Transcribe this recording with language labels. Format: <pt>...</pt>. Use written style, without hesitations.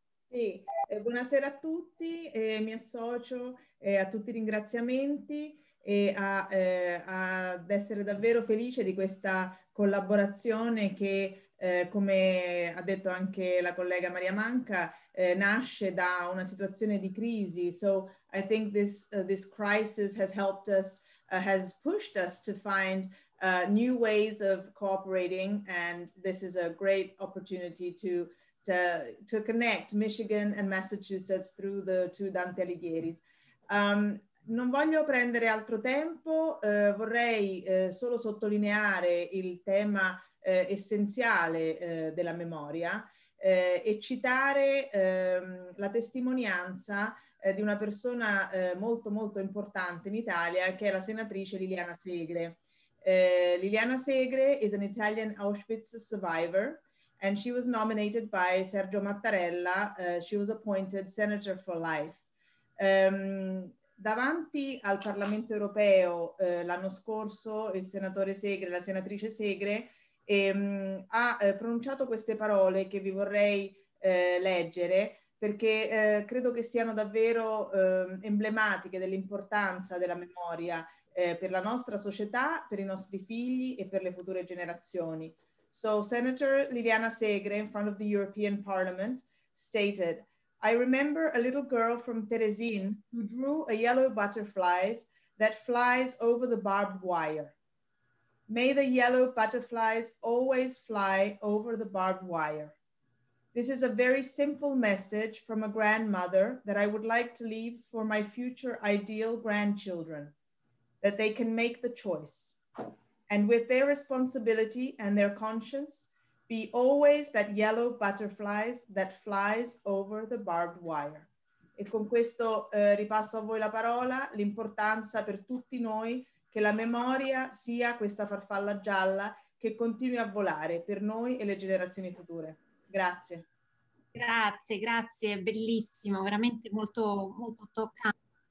<it>Sì, buonasera a tutti, mi associo a tutti i ringraziamenti e ad essere davvero felice di questa collaborazione che, come ha detto anche la collega Maria Manca, nasce da una situazione di crisi.</it> <en>So I think this crisis has helped us, has pushed us to find new ways of cooperating, and this is a great opportunity to connect Michigan and Massachusetts through the two Dante Alighieris.</en> <it>Non voglio prendere altro tempo, vorrei solo sottolineare il tema essenziale della memoria e citare la testimonianza di una persona molto molto importante in Italia, che è la senatrice Liliana Segre.</it> <en>Liliana Segre is an Italian Auschwitz survivor, and she was nominated by Sergio Mattarella. She was appointed senator for life.</en> <it>Davanti al Parlamento europeo l'anno scorso, il senatore Segre, la senatrice Segre, ha pronunciato queste parole che vi vorrei leggere, perché credo che siano davvero emblematiche dell'importanza della memoria per la nostra società, per i nostri figli e per le future generazioni.</it> <en>So Senator Liliana Segre in front of the European Parliament stated, "I remember a little girl from Terezin who drew a yellow butterfly that flies over the barbed wire. May the yellow butterflies always fly over the barbed wire. This is a very simple message from a grandmother that I would like to leave for my future ideal grandchildren, that they can make the choice. And with their responsibility and their conscience, be always that yellow butterflies that flies over the barbed wire."</en> <it>E con questo ripasso a voi la parola, l'importanza per tutti noi che la memoria sia questa farfalla gialla che continui a volare per noi e le generazioni future. Grazie. Grazie, grazie, bellissimo, veramente molto, molto toccante.</it>